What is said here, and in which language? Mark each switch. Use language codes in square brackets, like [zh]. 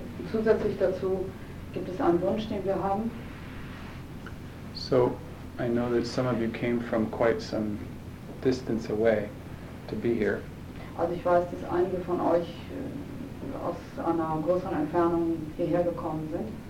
[de] Zusätzlich dazu gibt es einen Wunsch, den wir haben. [en] So, I know that some of you came from quite some distance away to be here. [de] Also ich weiß, dass einige von euch aus einer größeren Entfernung hierher gekommen sind.